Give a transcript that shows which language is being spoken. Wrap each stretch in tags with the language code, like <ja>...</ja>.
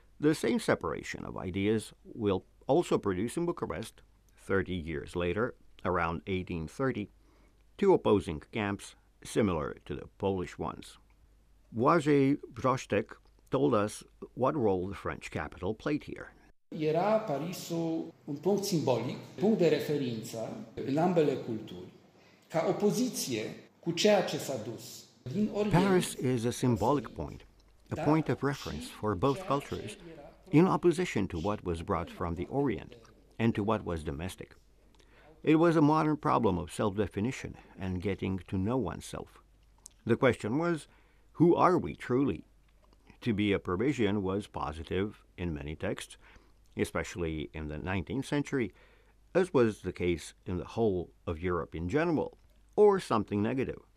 <en>The same separation of ideas will also produce in Bucharest, 30 years later, around 1830, two opposing camps similar to the Polish ones. Błażej Brzostek told us what role the French capital played here.</en> <ro>Era Parisul un punct simbolic, punct de referință în ambele culturi, ca opoziție cu ceea ce s-a dus.</ro> <en>Paris is a symbolic point, a point of reference for both cultures, in opposition to what was brought from the Orient and to what was domestic. It was a modern problem of self-definition and getting to know oneself. The question was, who are we truly? To be a Parisian was positive in many texts, especially in the 19th century, as was the case in the whole of Europe in general, or something negative.</en>